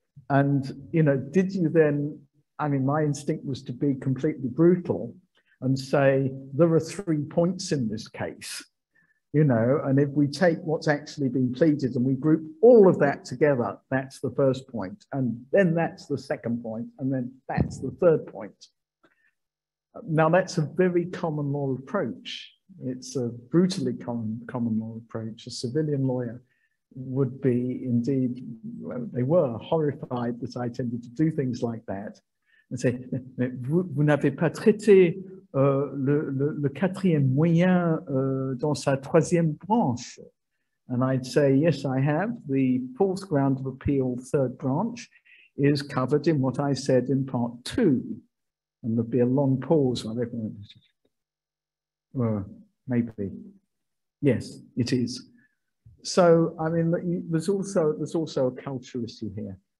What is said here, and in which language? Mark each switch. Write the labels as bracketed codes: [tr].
[en] And, you know, did you then, I mean, my instinct was to be completely brutal and say, there are 3 points in this case, you know, and if we take what's actually been pleaded and we group all of that together, that's the first point, and then that's the second point, and then that's the third point. Now, that's a very common law approach. It's a brutally common law approach. A civilian lawyer would be indeed, well, they were horrified that I tended to do things like that. And say, [fr] vous n'avez pas traité le quatrième moyen dans sa troisième branche. [en] And I'd say, yes, I have. The fourth ground of appeal, third branch, is covered in what I said in part two. And there'd be a long pause while everyone was just, maybe. Yes, it is. So, I mean, there's also a culture issue here.